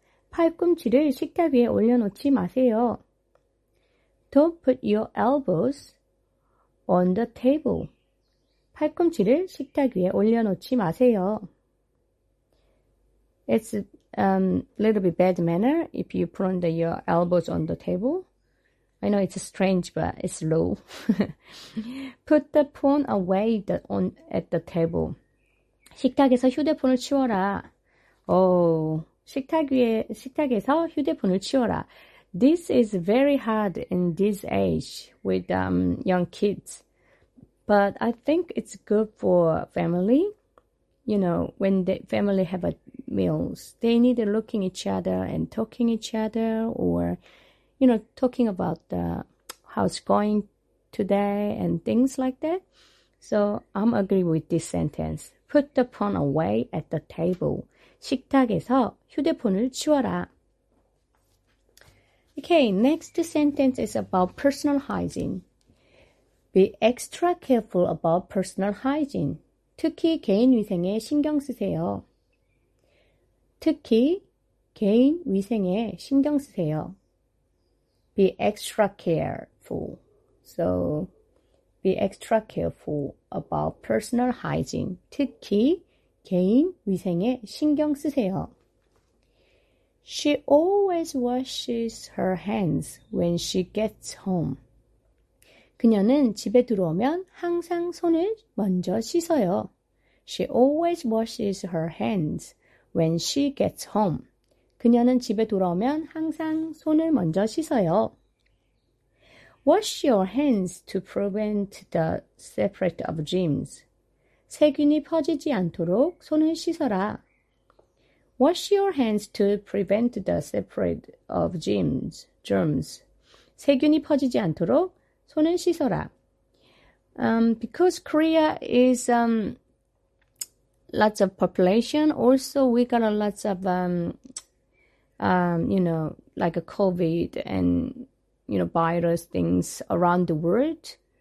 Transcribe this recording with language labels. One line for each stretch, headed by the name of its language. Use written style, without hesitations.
Korean: 팔꿈치를 식탁 위에 올려놓지 마세요.
English: Don't put your elbows on the table.
Korean: 팔꿈치를 식탁 위에 올려놓지 마세요.
English: It's a little bit bad manner if you put on your elbows on the table. I know it's strange, but it's low. Put the phone away at the table.
Korean: 식탁에서 휴대폰을 치워라. Oh, 식탁에서 휴대폰을 치워라.
English: This is very hard in this age with young kids. But I think it's good for family. You know, when the family have a meals, they need looking each other and talking each other, or, you know, talking about how's going today and things like that. So I'm agree with this sentence. Put the phone away at the table.
Korean: 식탁에서 휴대폰을 치워라.
English: Okay, next sentence is about personal hygiene. Be extra careful about personal hygiene.
Korean: 특히 개인 위생에 신경 쓰세요. 특히 개인 위생에 신경 쓰세요.
English: Be extra careful. So, be extra careful about personal hygiene.
Korean: 특히 개인 위생에 신경 쓰세요.
English: She always washes her hands when she gets home.
Korean: 그녀는 집에 들어오면 항상 손을 먼저 씻어요.
English: She always washes her hands when she gets home.
Korean: 그녀는 집에 돌아오면 항상 손을 먼저 씻어요.
English: Wash your hands to prevent the spread of germs.
Korean: 세균이 퍼지지 않도록 손을 씻어라.
English: Wash your hands to prevent the spread of germs.
Korean: 세균이 퍼지지 않도록 손을 씻어라.
English: Because Korea is lots of population, also we got a lots of you know, like a COVID and, you know, virus things around the world.